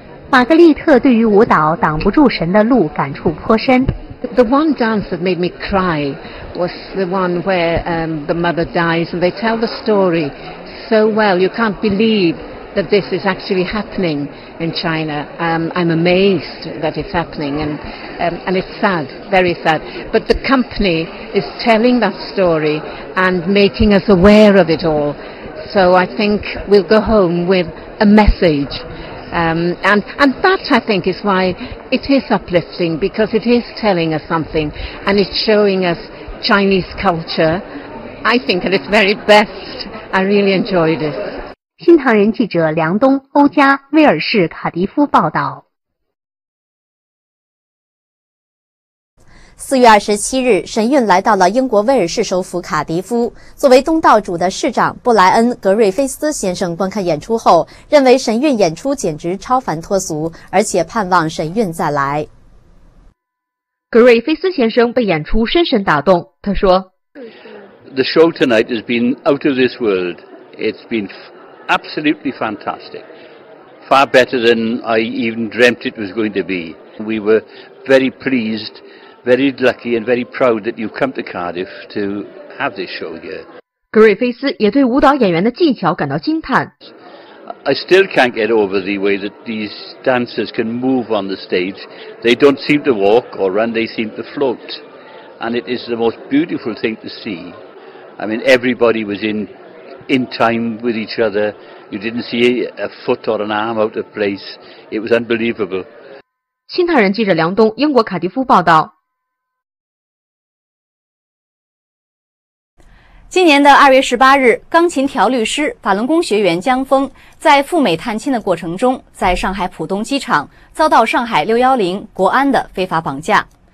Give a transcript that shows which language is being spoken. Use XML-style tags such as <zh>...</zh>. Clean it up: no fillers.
<zh>玛格丽特对于舞蹈挡不住神的路感触颇深。</zh> <en>The one dance that made me cry was the one where the mother dies, and they tell the story so well, you can't believe that this is actually happening in China. I'm amazed that it's happening, and it's sad, very sad. But the company is telling that story and making us aware of it all. So I think we'll go home with a message. And that, I think, is why it is uplifting, because it is telling us something and it's showing us Chinese culture, I think, at its very best. I really enjoyed it.</en> <zh>新唐人记者梁东、欧佳、威尔士、卡迪夫报道。 4月27日，神韵来到了英国威尔士首府卡迪夫。作为东道主的市长布莱恩·格瑞菲斯先生观看演出后，认为神韵演出简直超凡脱俗，而且盼望神韵再来。格瑞菲斯先生被演出深深打动，他说</zh> <en>：“The show tonight has been out of this world. It's been absolutely fantastic, far better than I even dreamt it was going to be. We were very pleased.” Very lucky and very proud that you've come to Cardiff to have this show here.</en> <zh>格瑞菲斯也对舞蹈演员的技巧感到惊叹。</zh> <en>I still can't get over the way that these dancers can move on the stage. They don't seem to walk or run, they seem to float. And it is the most beautiful thing to see. I mean, everybody was in time with each other. You didn't see a foot or an arm out of place. It was unbelievable.</en> <zh>新唐人记者梁东，英国卡迪夫报道。今年的2月18日，钢琴调律师、法轮功学员江峰在赴美探亲的过程中，在上海浦东机场遭到上海610国安的非法绑架。</zh>